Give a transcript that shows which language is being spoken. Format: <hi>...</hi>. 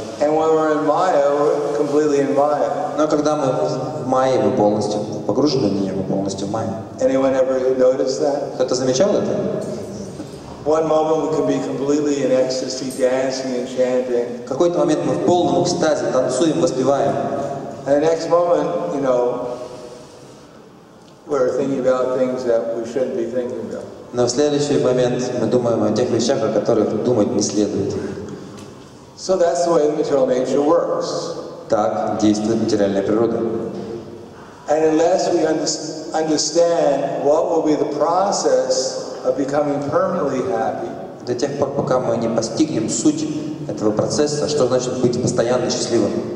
<en>And when we're in Maya, we're completely in Maya.</en> <ru>Но когда мы в Майе, мы полностью погружены в нее, мы полностью в Майе.</ru> <en>Anyone ever noticed that?</en> <ru>Кто-то замечал это?</ru> <en>One moment we can be completely in ecstasy, dancing and chanting.</en> <ru>В какой-то момент мы в полном экстазе танцуем, воспеваем.</ru> <en>And the next moment, you know, we're thinking about things that we shouldn't be thinking about.</en> <ru>Но в следующий момент мы думаем о тех вещах, о которых думать не следует.</ru> <en>So that's the way material nature works.</en> <ru>Так действует материальная природа.</ru> <en>And unless we understand what will be the process of becoming permanently happy.</en> <ru>До тех пор, пока мы не постигнем суть этого процесса, что значит быть постоянно счастливым.</ru>